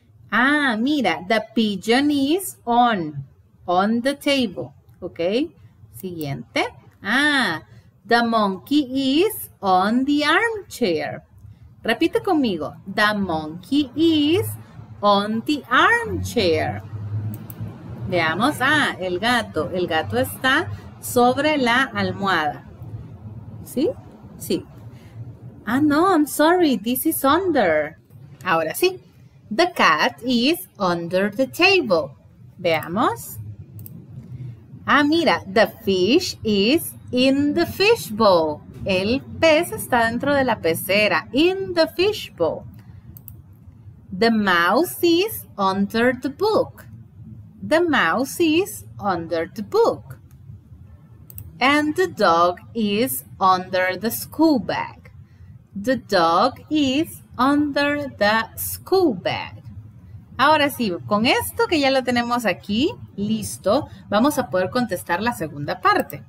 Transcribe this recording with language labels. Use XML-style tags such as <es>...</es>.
<es>Ah, mira,</es> <en>the pigeon is on the table.</en> <es>Ok, siguiente.</es> <en>Ah, the monkey is on the armchair.</en> <es>Repite conmigo,</es> <en>the monkey is On the armchair.</en> <es>Veamos, ah, el gato está sobre la almohada. ¿Sí? Sí.</es> <en>Ah, no, I'm sorry, this is under.</en> <es>Ahora sí,</es> <en>the cat is under the table.</en> <es>Veamos. Ah, mira,</es> <en>the fish is in the fish bowl.</en> <es>El pez está dentro de la pecera,</es> <en>in the fish bowl. The mouse is under the book. The mouse is under the book. And the dog is under the school bag. The dog is under the school bag.</en> <es>Ahora sí, con esto que ya lo tenemos aquí listo, vamos a poder contestar la segunda parte.</es>